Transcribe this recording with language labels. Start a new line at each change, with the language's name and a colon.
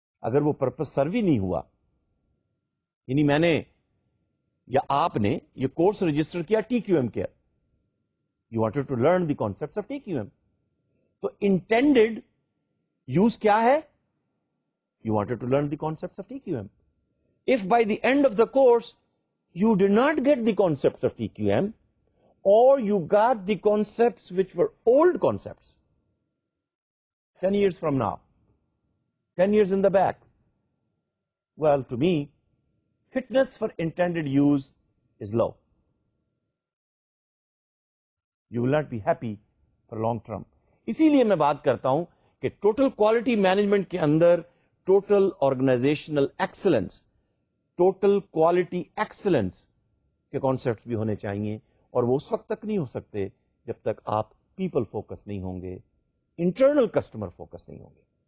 Urdu: اگر وہ purpose serve ہی نہیں ہوا, یعنی میں نے یا آپ نے یہ کورس رجسٹر کیا ٹی کیو ایم کے,
English: you wanted to learn the concepts of T Q M,
Urdu: تو انٹینڈیڈ یوز کیا ہے,
English: you wanted to learn the concepts of TQM. If by the end of the course you did not get the concepts of TQM or you got the concepts which were old concepts 10 years from now, 10 years in the back, well, to me, fitness for intended use is low. You will not be happy for long term.
Urdu: اسی لیے میں بات کرتا ہوں کہ total quality management کے اندر total organisational excellence, total quality excellence کے concept بھی ہونے چاہیے, اور وہ اس وقت تک نہیں ہو سکتے جب تک آپ پیپل فوکس نہیں ہوں گے, انٹرنل کسٹمر فوکس نہیں ہوں گے.